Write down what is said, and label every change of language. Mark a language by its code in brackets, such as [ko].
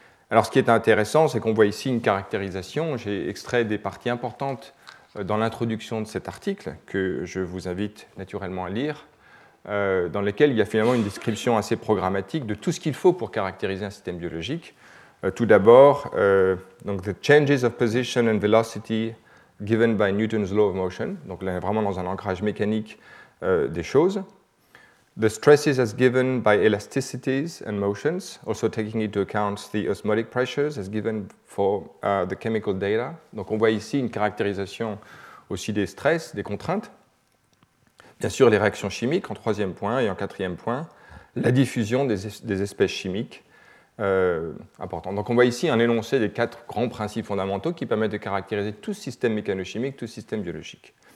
[fr] Alors, ce qui est intéressant, c'est qu'on voit ici une caractérisation. J'ai extrait des parties importantes dans l'introduction de cet article, que je vous invite naturellement à lire, dans lesquelles il y a finalement une description assez programmatique de tout ce qu'il faut pour caractériser un système biologique. Tout d'abord, donc, [en] « The changes of position and velocity given by Newton's law of motion ». [fr] Donc là, on est vraiment dans un ancrage mécanique des choses. [en] The stresses as given by elasticities and motions, also taking into account the osmotic pressures as given for the chemical data. [fr] Donc on voit ici une caractérisation aussi des stress, des contraintes. Bien sûr, les réactions chimiques en troisième point et en quatrième point, la diffusion des espèces chimiques importantes. Donc on voit ici un énoncé des quatre grands principes fondamentaux qui permettent de caractériser tout système mécanochimique, tout système biologique.